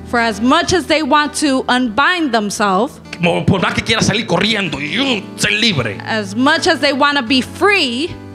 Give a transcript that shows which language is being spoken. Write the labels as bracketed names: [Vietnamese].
[English] For as much as they want to unbind themselves. [Spanish] Por más que quiera salir corriendo y ser libre. [English] As much as they want to be free.